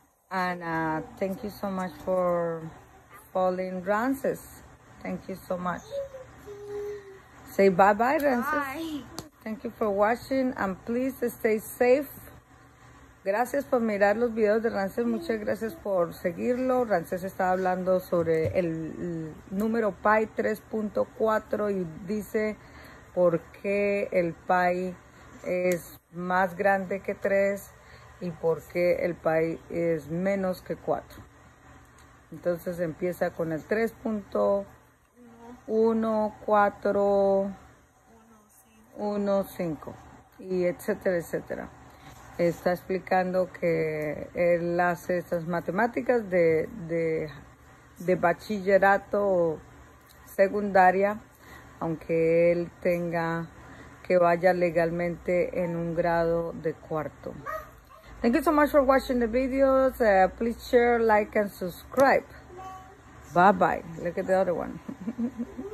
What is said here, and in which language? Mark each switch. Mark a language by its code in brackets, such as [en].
[en] And thank you so much for following Ramses. Thank you so much. Say bye-bye, Ramses. Bye. Thank you for watching, and please stay safe. [es] Gracias por mirar los videos de Ramses. Muchas gracias por seguirlo. Ramses estaba hablando sobre el número pi 3.4 y dice por qué el pi es más grande que 3. Y por qué el pi es menos que 4. Entonces empieza con el 3.14. 1, 5, y etcétera, etcétera. Está explicando que él hace esas matemáticas de bachillerato o secundaria, aunque él tenga que vaya legalmente en un grado de cuarto. [en] Thank you so much for watching the videos. Please share, like, and subscribe. Bye-bye. Look at the other one.